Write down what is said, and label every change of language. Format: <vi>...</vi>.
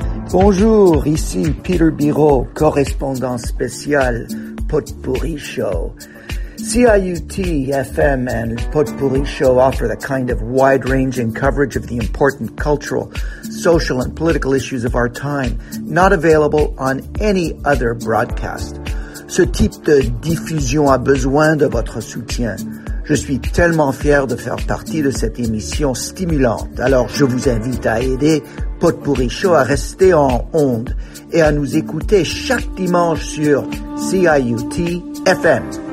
<fr>Bonjour, ici Peter Biro, correspondant spécial Potpourri Show.</fr> <en>CIUT FM and Potpourri Show offer the kind of wide-ranging coverage of the important cultural, social, and political issues of our time, not available on any other broadcast.</en> <fr>Ce type de diffusion a besoin de votre soutien. Je suis tellement fier de faire partie de cette émission stimulante. Alors, je vous invite à aider Potpourri Show à rester en onde et à nous écouter chaque dimanche sur CIUT FM.</fr>